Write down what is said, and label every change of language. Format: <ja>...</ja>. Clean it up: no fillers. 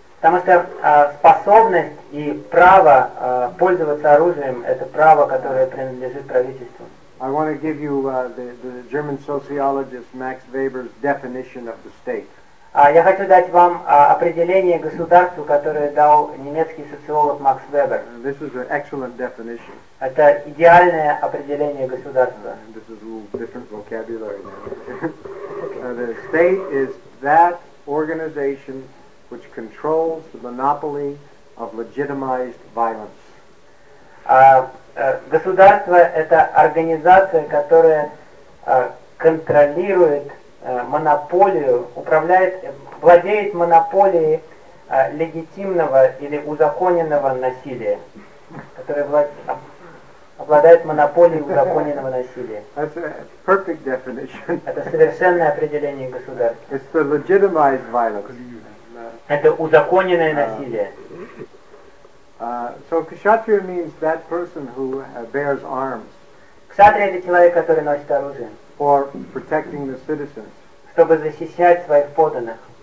<ru>Потому что способность и право пользоваться оружием – это право, которое принадлежит правительству.</ru> <en>I want to give you the German sociologist Max Weber's definition of the state.</en> <ru>Я хочу дать вам определение государству, которое дал немецкий социолог Макс Вебер.</ru> <en>This is an excellent definition.</en> <ru>Это идеальное определение государства.</ru> <en>This is a little different vocabulary now. The state is that organization which controls the monopoly of legitimized violence.</en> <ru>Государство – это организация, которая контролирует монополию, управляет, владеет монополией легитимного или узаконенного насилия, которое обладает монополией узаконенного насилия.</ru> <en>That's a perfect definition.</en> <ru>Это совершенное определение государства.</ru> <en>It's the legitimized violence.</en> <ru>Это узаконенное насилие.</ru> <en>So kshatriya means that person who bears arms.</en> <ru>Кшатрия — это человек, который носит оружие.</ru> <en>For protecting the citizens.</en> <ru>Чтобы защищать своих подданных.</ru>